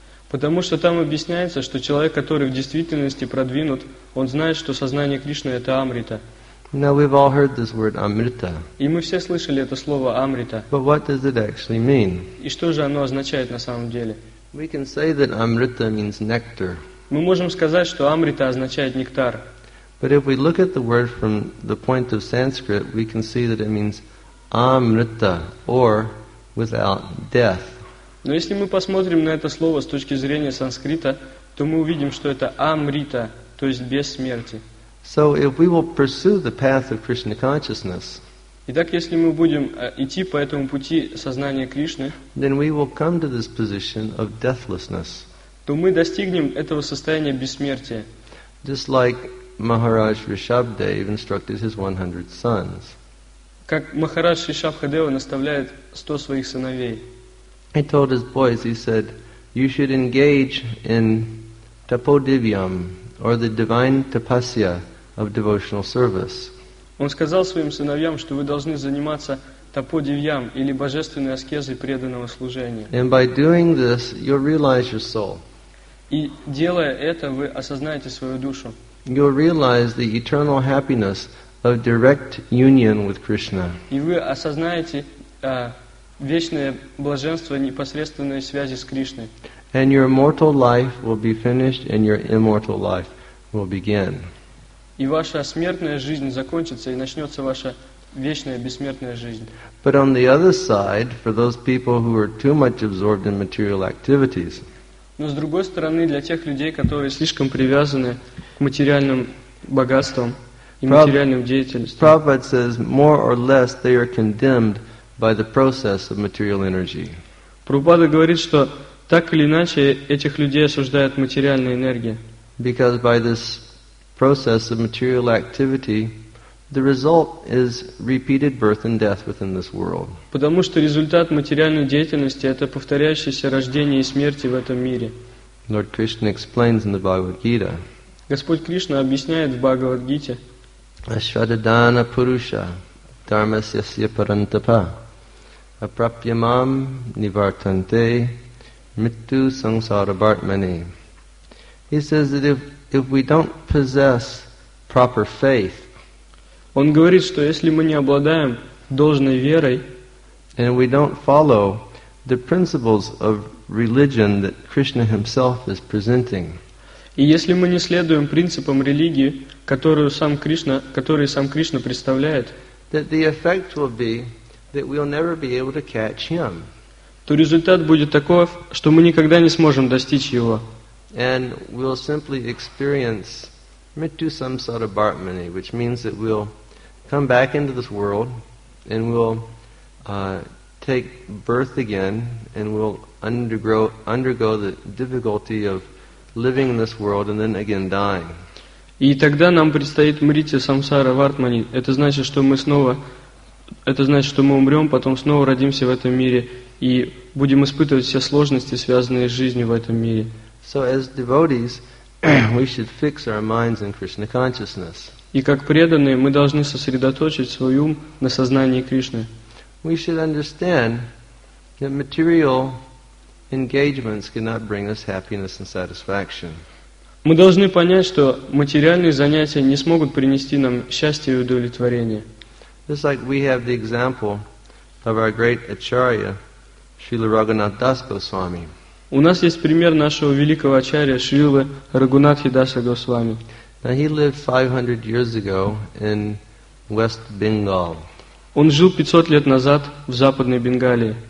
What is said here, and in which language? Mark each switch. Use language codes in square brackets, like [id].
[ru] Потому что там объясняется, что человек, который в действительности продвинут, он знает, что сознание Кришны – это амрита. [en] Now we've all heard this word amrita. [ru] И мы все слышали это слово амрита. [en] But what does it actually mean? [ru] И что же оно означает на самом деле? [en] We can say that amrita means nectar. [ru] Мы можем сказать, что амрита означает нектар. [en] But if we look at the word from the point of Sanskrit, we can see that it means amrita, or without death. [ru] Но если мы посмотрим на это слово с точки зрения санскрита, то мы увидим, что это амрита, то есть без смерти. [en] So if we will pursue the path of Krishna consciousness, [ru] итак, если мы будем идти по этому пути сознания Кришны, [en] then we will come to this position of deathlessness. [ru] То мы достигнем этого состояния бессмертия. [en] Just like Maharaj Rishabhdev instructed his 100 sons. [ru] Как Махарадж Ришабхадева наставляет 100 своих сыновей. [en] He told his boys, he said, you should engage in tapodivyam, or the divine tapasya of devotional service. [ru] Он сказал своим сыновьям, что вы должны заниматься таподивьям, или божественной аскезой преданного служения. [en] And by doing this, you'll realize your soul. [ru] И делая это, вы осознаете свою душу. [en] You'll realize the eternal happiness of direct union with Krishna. [ru] И вы осознаете вечное блаженство непосредственной связи с Кришной. [en] And your mortal life will be finished and your immortal life will begin. [ru] И ваша смертная жизнь закончится и начнется ваша вечная бессмертная жизнь. [en] But on the other side, for those people who are too much absorbed in material activities. [ru] Но с другой стороны, для тех людей, которые слишком привязаны к материальным богатствам и материальным деятельностям. [en] Prabhupada says more or less they are condemned by the process of material energy. [ru] Прабхупада говорит, что так или иначе этих людей осуждает материальная энергия. [en] Because by this process of material activity, the result is repeated birth and death within this world. [ru] Потому что результат материальной деятельности это повторяющееся рождение и смерти в этом мире. [en] Lord Krishna explains in the Bhagavad Gita. [ru] Господь Кришна объясняет в Бхагавад Гите. [sa] Ашвададана Пуруша. Dharmasyasya parantapa aprapyamam nivartante mittu samsara bartmani. [en] He says that if we don't possess proper faith, [ru] он говорит, что если мы не обладаем должной верой, [en] and we don't follow the principles of religion that Krishna himself is presenting, [ru] и если мы не следуем принципам религии, которые сам Кришна представляет, [en] that the effect will be that we'll never be able to catch him. [ru] То результат будет таков, что мы никогда не сможем достичь его. [en] And we'll simply experience mrityu-samsara bhartmani, which means that we'll come back into this world and we'll take birth again and we'll undergo the difficulty of living in this world and then again dying. [ru] И тогда нам предстоит мритья-самсара-вартмани. Это значит, что мы умрем, потом снова родимся в этом мире и будем испытывать все сложности, связанные с жизнью в этом мире. [en] So as devotees, we should fix our minds in Krishna consciousness. [ru] И как преданные, мы должны сосредоточить свой ум на сознании Кришны. [en] We should understand that material engagements cannot bring us happiness and satisfaction. [ru] Мы должны понять, что материальные занятия не смогут принести нам счастье и удовлетворение. [en] Just like we have the example of our great acharya, Srila Raghunath Das Goswami. [ru] У нас есть пример нашего великого ачарья Шрилы Рагунатхи Даса Госвами. [en] Now he lived 500 years ago in West Bengal. [ru] Он жил 500 лет назад в Западной Бенгалии.